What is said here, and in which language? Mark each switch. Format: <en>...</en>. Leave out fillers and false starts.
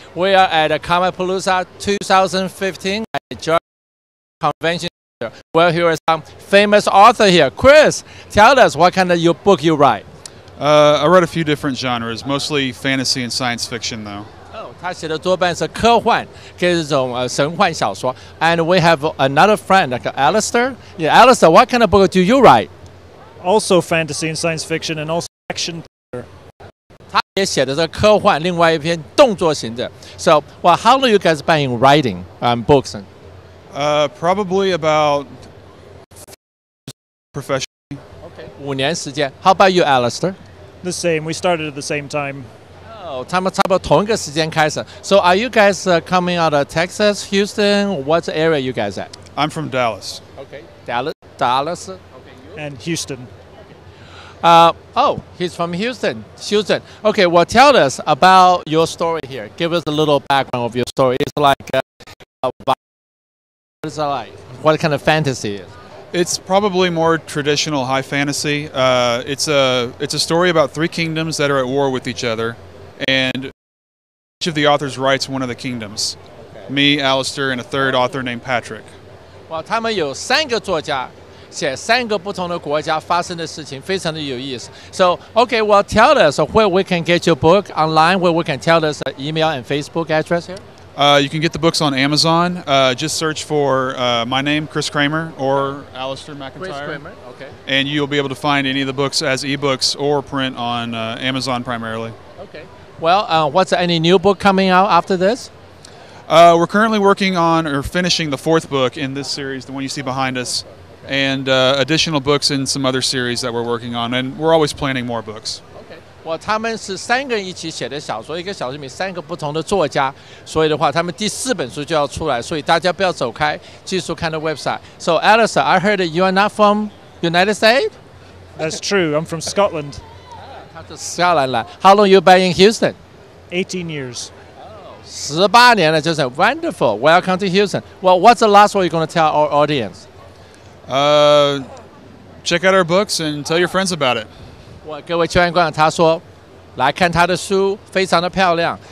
<en>We are at Comic Palooza 2015 at the Convention Center. Well, here is some famous author here. Chris, tell us what kind of your book you write. I write a few different genres, mostly fantasy and science fiction, though.</en> <zh>Oh, 他写的多半是科幻，跟这种神幻小说。</zh> <en>And we have another friend, like Alistair. Yeah, Alistair, what kind of book do you write? Also fantasy and science fiction, and also action.</en> <zh>他也写的是科幻，另外一篇动作型的。</zh> <en>So, well, how long have you guys been in writing books? Probably about 5 years professionally. Okay,</en> <zh>5年时间。</zh> <en>How about you, Alistair? The same. We started at the same time.</en> <zh>Oh, 他们差不多同一个时间开始。</zh> <en>So, are you guys coming out of Texas, Houston? What area you guys at? I'm from Dallas. Okay, Dallas. Okay, and Houston. He's from Houston. Houston. Okay, well, tell us about your story here. Give us a little background of your story. It's like, what is it like? What kind of fantasy is it? It's probably more traditional high fantasy. It's a story about three kingdoms that are at war with each other, and each of the authors writes one of the kingdoms. Okay. Me, Alistair, and a third author named Patrick.</en> <zh>Well, 他们有三个作家。写三个不同的国家发生的事情，非常的有意思。</zh> <en>So, okay, well, tell us where we can get your book online, where we can tell us the email and Facebook address here. You can get the books on Amazon. Just search for my name, Chris Kramer, or Alistair McIntyre. Chris Kramer, okay. And you'll be able to find any of the books as ebooks or print on Amazon primarily. Okay. Well, what's any new book coming out after this? We're currently working on or finishing the fourth book in this series, the one you see behind us. And additional books in some other series that we're working on, and we're always planning more books. Okay.</en> <zh>Well, 他们是三个人一起写的小说，一个小说里面三个不同的作家，所以的话，他们第四本书就要出来，所以大家不要走开，继续看的 website.</zh> <en>So, Alistair, I heard you are not from United States. That's true. I'm from Scotland. Ah,</en> <zh>他是斯兰兰。</zh> <en>How long you been in Houston? 18 years. Oh,</en> <zh>18年了，就是</zh> <en>wonderful. Welcome to Houston. Well, what's the last word you're going to tell our audience? Check out our books and tell your friends about it.</en> <zh>各位亲爱的观众，他说来看他的书，非常的漂亮。</zh>